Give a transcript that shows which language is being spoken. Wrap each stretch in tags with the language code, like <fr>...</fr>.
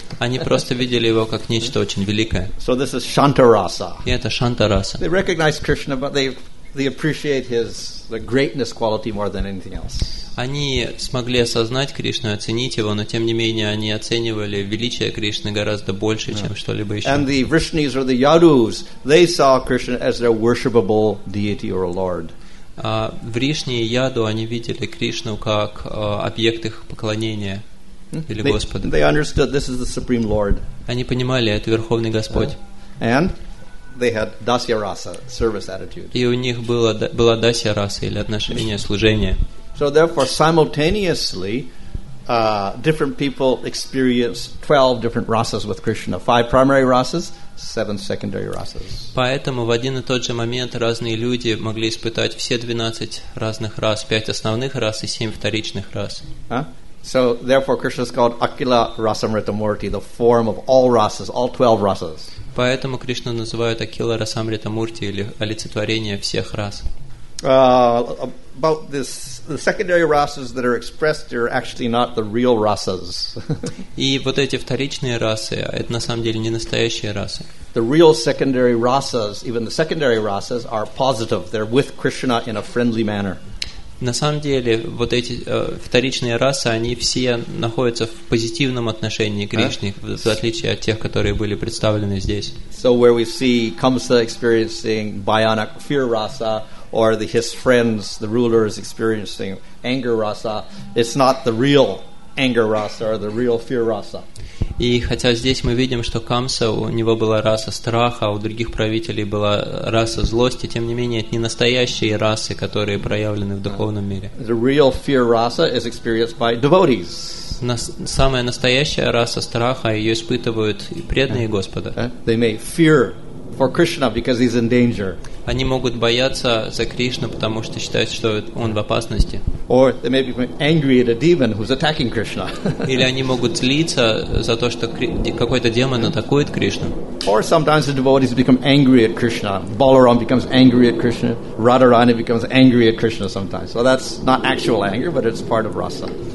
<ru>Они просто видели его как нечто очень великое.</ru> <en>So this is Shantarasa.</en> <ru>И это Шантараса.</ru> <en>They recognize Krishna, but they appreciate the greatness quality more than anything else.</en> <ru>Они смогли осознать Кришну и оценить его, но тем не менее они оценивали величие Кришны гораздо больше, yeah. чем что-либо еще.</ru> <en>And the Vrishnis or the Yadus, they saw Krishna as their worshipable deity or a lord.</en> <ru>Вришни и Яду, они видели Кришну как объект их поклонения или Господа.</ru> <en>They understood this is the supreme lord.</en> <ru>Они понимали, это Верховный Господь.</ru> <en>And they had dasya rasa, service attitude.</en> <ru>И у них была дасья раса или отношение служения.</ru> <en>So therefore, simultaneously, different people experience 12 different rasas with Krishna. 5 primary rasas, 7 secondary rasas.</en> <ru>Поэтому в один и тот же момент разные люди могли испытать все 12 разных рас, 5 основных рас и 7 вторичных рас.</ru> <en>So therefore, Krishna is called Akila Rasamritamurti, the form of all rasas, all 12 rasas.</en> <ru>Поэтому Кришну называют Акила Расамритамурти, или олицетворение всех рас.</ru> <en>About this, the secondary rasas that are expressed are actually not the real rasas.</en> <ru>И вот эти вторичные расы, это на самом деле не настоящие расы.</ru> <en>The real secondary rasas, even the secondary rasas, are positive. They're with Krishna in a friendly manner.</en> <ru>На самом деле, вот эти вторичные расы, они все находятся в позитивном отношении к Кришне, в отличие от тех, которые были представлены здесь.</ru> <en>So where we see Kamsa experiencing bhayanak fear rasa, or his friends, the rulers, experiencing anger rasa, it's not the real anger rasa or the real fear rasa.</en> <ru>И хотя здесь мы видим, что Камса, у него была раса страха, у других правителей была раса злости, тем не менее, это не настоящие расы, которые проявлены в духовном мире.</ru> <en>The real fear rasa is experienced by devotees.</en> <ru>Самая настоящая раса страха, ее испытывают преданные Господа.</ru> <en>They may fear for Krishna because he's in danger.</en> <ru>Они могут бояться за Кришну, потому что считают, что он в опасности.</ru> <en>Or they may be angry at a demon who's attacking Krishna.</en> <ru>Или они могут злиться за то, что какой-то демон атакует Кришну.</ru> <en>Or sometimes the devotees become angry at Krishna. Balaram becomes angry at Krishna. Radharani becomes angry at Krishna sometimes. So that's not actual anger, but it's part of rasa.</en>